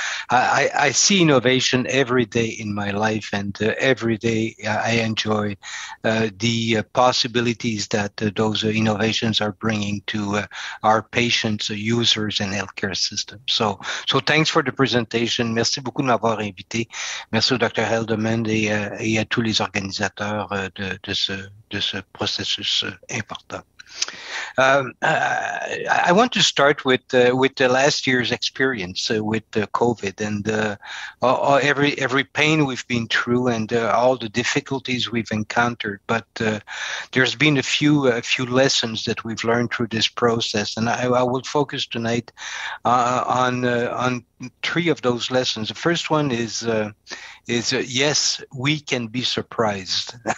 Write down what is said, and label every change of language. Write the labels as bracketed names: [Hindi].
[English] I see innovation every day in my life, and every day I enjoy the possibilities that those innovations are bringing to our patients, users, and healthcare system. So thanks for the presentation. [French] Merci beaucoup de m'avoir invité. Merci au Dr. Heldemann et à tous les organisateurs de ce processus important. [English] I want to start with the last year's experience with COVID and every pain we've been through and all the difficulties we've encountered. But there's been a few lessons that we've learned through this process, and I will focus tonight on three of those lessons. The first one is yes, we can be surprised.